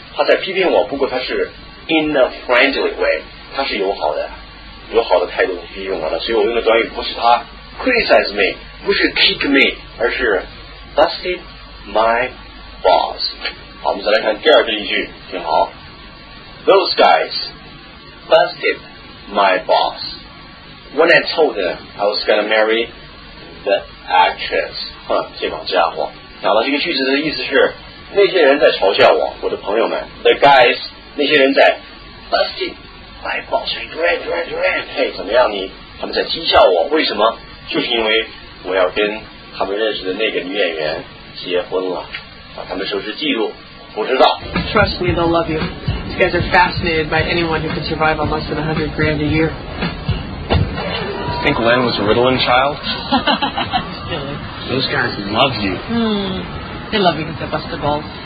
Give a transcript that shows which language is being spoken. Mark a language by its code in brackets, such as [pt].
[zh] 他在批评我，不过他是 [en] in a friendly way， [zh] 他是友好的态度批评我的。所以我用的短语不是他 criticize me， 不是 kick me， 而是 [en] busted my balls。 [zh] 好，我们再来看第二个例句，听好。 [en] Those guys busted my balls when I told them I was gonna marry the actress. [zh] 这帮家伙。好了，这个句子的意思是，那些人在嘲笑我，我的朋友们。 [en] The guys， [zh] 那些人在 [en] busted my balls， [zh] drag， 嘿，怎么样你？他们在讥笑我，为什么？就是因为我要跟他们认识的那个女演员结婚了，他们收拾记录。不知道。 [en] Trust me, they'll love you. These guys are fascinated by anyone who can survive on less than $100,000 a year. I think Len was a Ritalin child. Silly. Those guys love you. They love me because I bust the balls.